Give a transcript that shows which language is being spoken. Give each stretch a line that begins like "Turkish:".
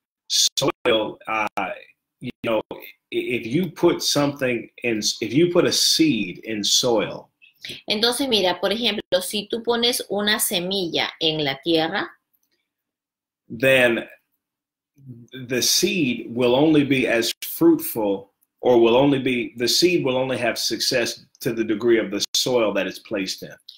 English: Soil, you know, if you put something in, if you put a seed in soil.
Spanish: Entonces mira, por ejemplo, si tú pones una semilla en la tierra,
English: then the seed will only be as fruitful, or will only be, the seed will only have success to the degree of the soil that it's placed in.